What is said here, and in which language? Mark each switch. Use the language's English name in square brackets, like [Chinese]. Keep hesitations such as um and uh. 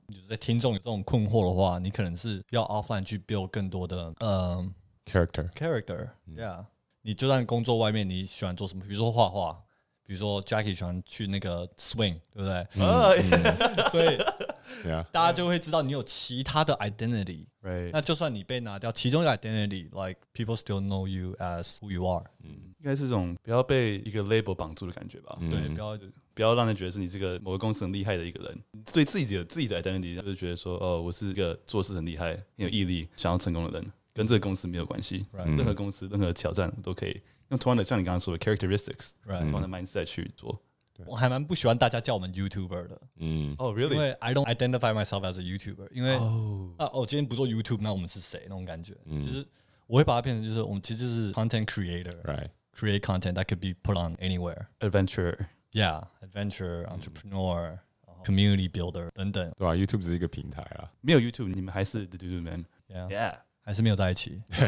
[Chinese] 是在听众有这种困惑的话，你可能是要 offline 去 build 更多的呃 character character。 Yeah，你就算工作外面，你喜欢做什么？比如说画画。比如说，Jackie 喜欢去那个 swing，对不对？Oh, 所以，大家就会知道你有其他的 identity。那就算你被拿掉其中一个 identity， [English] like people still know you as who you are。 [Chinese] 嗯，应该是这种不要被一个 label 绑住的感觉吧？Mm hmm. 对，不要不要让人觉得是你是个某个公司很厉害的一个人。对自己的自己的 identity 就是觉得说，哦，我是一个做事很厉害、很有毅力、想要成功的人，跟这个公司没有关系。 Mm hmm. 任何公司、任何挑战都可以。用同样的，像你刚刚说的 characteristics，right 同样的 mindset 去做。我还蛮不喜欢大家叫我们 YouTuber 的，嗯，哦，really，因为 [English] I don't identify myself as a YouTuber， [Chinese] 因为啊，哦，今天不做 YouTube，那我们是谁？那种感觉。其实我会把它变成就是我们其实就是 content creator，right， [English] create content that could be put on anywhere， [Chinese] adventure，yeah，adventure entrepreneur，community builder 等等，对吧？YouTube 只是一个平台啊，没有 YouTube，你们还是 d e d o d o m a n yeah，还是没有在一起。